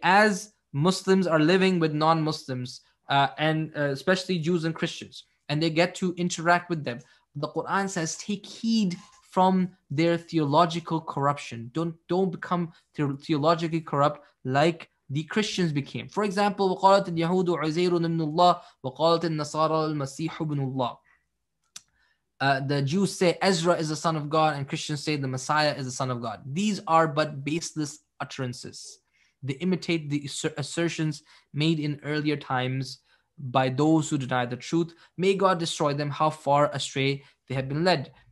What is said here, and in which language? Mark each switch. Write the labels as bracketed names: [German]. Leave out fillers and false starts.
[English] As Muslims are living with non-Muslims, especially Jews and Christians, and they get to interact with them, the Quran says, take heed from their theological corruption. Don't become theologically corrupt like the Christians became. For example, [Arabic] وَقَالَتِ الْيَهُودُ عُزَيْرٌ مِنُ اللَّهِ وَقَالَتِ النَّصَارَى الْمَسِيحُ بِنُ اللَّهِ. [English] The Jews say Ezra is the son of God and Christians say the Messiah is the son of God. These are but baseless utterances. They imitate the assertions made in earlier times by those who deny the truth. May God destroy them, how far astray they have been led.